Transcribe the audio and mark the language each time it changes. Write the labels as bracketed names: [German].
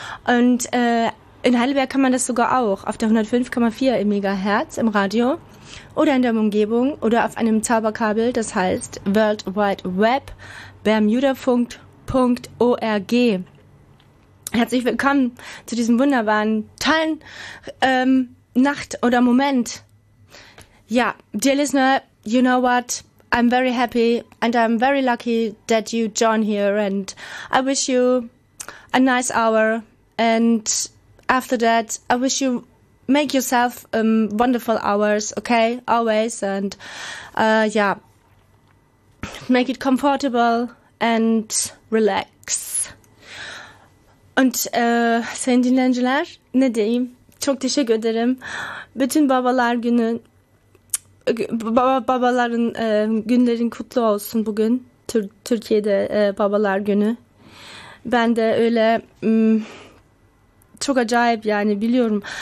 [German] Und in Heidelberg kann man das sogar auch, auf der 105,4 im Megahertz im Radio oder in der Umgebung oder auf einem Zauberkabel, das heißt World Wide Web, bermudafunk.org. Herzlich willkommen zu diesem wunderbaren, tollen Nacht oder Moment. [English] Ja, dear listener, you know what? I'm very happy and I'm very lucky that you join here and I wish you a nice hour and after that I wish you make yourself wonderful hours, okay? Always and yeah, make it comfortable and relax. [Turkish] Und sayın dinleyiciler, ne diyeyim? Çok teşekkür ederim. Bütün babalar günü, babaların günlerin kutlu olsun bugün. Türkiye'de babalar günü. Ben de öyle çok acayip yani biliyorum.